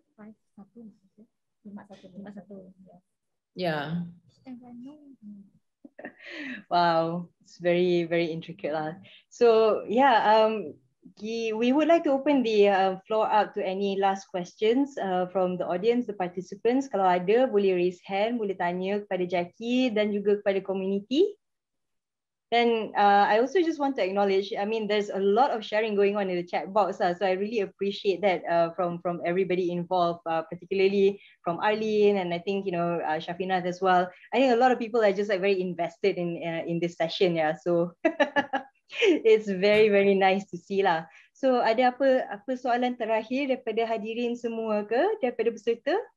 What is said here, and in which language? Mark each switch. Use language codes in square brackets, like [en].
[en] 5, 1, 5, 1. Yeah. Wow, it's very, very intricate lah. So yeah, we would like to open the floor up to any last questions from the audience, the participants. [ms] Kalau ada, boleh [en] raise hand, [ms] boleh tanya kepada Jackie dan juga kepada community. [en] Then I also just want to acknowledge, I mean, there's a lot of sharing going on in the chat box. So I really appreciate that from everybody involved, particularly from Arlene and I think, you know, Shafinath as well. I think a lot of people are just like very invested in this session. Yeah. So it's very, very nice to see lah. [ms] So ada apa soalan terakhir daripada hadirin semua ke daripada peserta?